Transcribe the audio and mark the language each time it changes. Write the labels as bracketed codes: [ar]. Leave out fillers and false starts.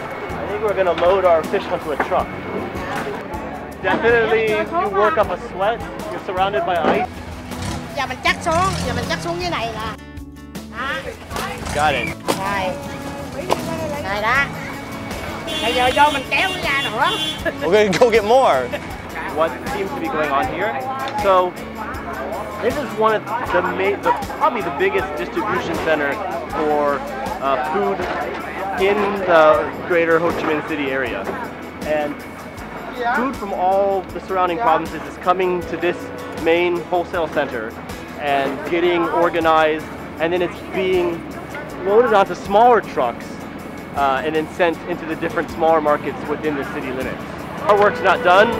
[en] I think we're gonna load our fish onto a truck. Definitely, you work up a sweat. You're surrounded by ice. [vi] Giờ mình chắc xuống. Giờ mình chắc xuống dưới này là. [en] Got it. [vi] Rồi. Rồi đó. Bây giờ do mình kéo ra nữa. [en] We're gonna go get more. What seems to be going on here? So, this is one of the probably the biggest distribution center for food in the greater Ho Chi Minh City area, and. Food from all the surrounding provinces is coming to this main wholesale center and getting organized, and then it's being loaded onto smaller trucks and then sent into the different smaller markets within the city limits. Our work's not done.